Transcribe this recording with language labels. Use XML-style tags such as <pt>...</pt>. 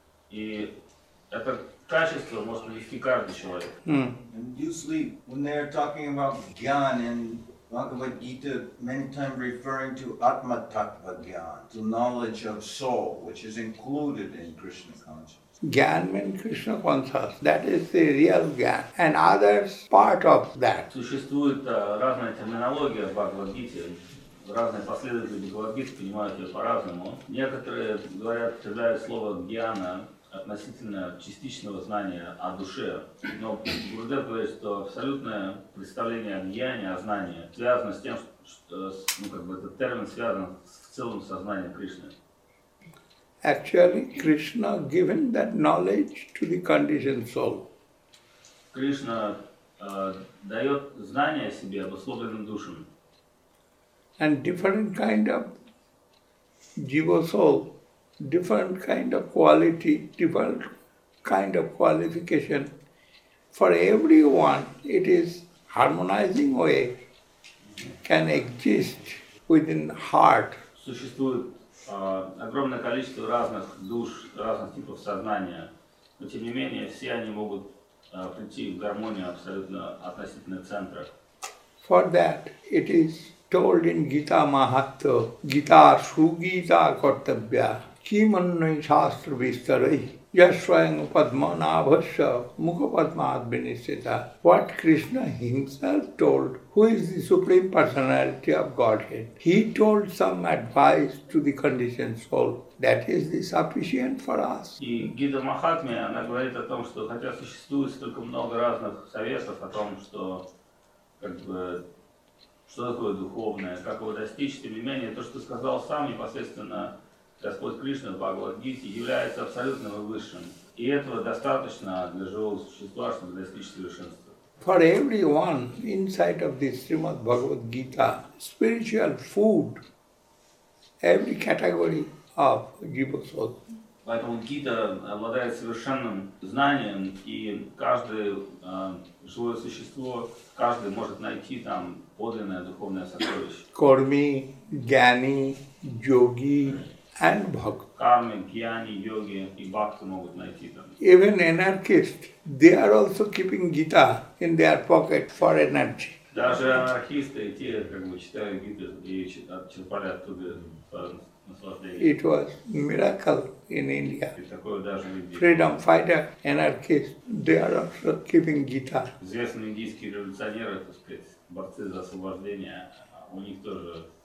<ru>И это качество может привести каждый человек.</ru> <en>And usually when they are talking about jnana and Bhagavad Gita many times referring to Atma Tattva Gyan, the knowledge of soul, which is included in Krishna consciousness. Gyan means Krishna consciousness. That is the real Gyan. And others part of that.</en> <ru>Существует разная терминология в Бхагавад Гите. Разные последователи Бхагавад Гиты понимают ее по-разному. Некоторые говорят, придают слово гьяна относительно частичного знания о душе. Но Гурудев говорит, что абсолютное представление о гьяне, о знании, связано с тем, что этот термин связан с целым сознанием Кришны.</ru> <en>Actually, Krishna given that knowledge to the conditioned soul.</en> <ru>Кришна дает знание о себе обусловленным душам.</ru> <en>And different kind of jiva soul. Different kind of quality, different kind of qualification. For everyone, it is harmonizing way can exist within heart.</en> <ru>Существует огромное количество разных душ, разных типов сознания, но тем не менее все они могут прийти в гармонию абсолютно относительно центра.</ru> <en>For that, it is told in Gita Mahatya, Gita Sugita Kartavya.</en> <sa>Kimannai Shastra Vistarai, Yashwayang Padmanabhasya, Mukhapadmadvinishita.</sa> <en>What Krishna himself told, who is the Supreme Personality of Godhead? He told some advice to the conditioned soul. That is the sufficient for us.</en> <ru>И Гита Махатме, она говорит о том, что хотя существует столько много разных советов о том, что что такое духовное, как его достичь, тем не менее, то, что сказал сам непосредственно Господь Кришна в Бхагавад-гите является абсолютным и высшим. И этого достаточно для живого существа, чтобы достичь совершенства.</ru> <en>For everyone inside of the Srimad Bhagavad-gita, spiritual food, every category of jiva soul.</en> <ru>Поэтому гита обладает совершенным знанием, и каждое живое существо, каждый может найти там подлинное духовное сокровище. Корми, гьяни, йоги.</ru> <en>And bhakti.</en> <ru>Karma, jnani, yogi, and bhakti могут найти там.</ru> <en>Even anarchists, they are also keeping Gita in their pocket for energy.</en> <ru>Даже анархисты, те, читают Гиту и черпали оттуда наслаждение.</ru> <en>It was miracle in India.</en> <ru>И такое даже в Индии.</ru> <en>Freedom fighter, anarchists, they are also keeping Gita.</en> <ru>Известные индийские революционеры, борцы за освобождение, у них тоже</ru>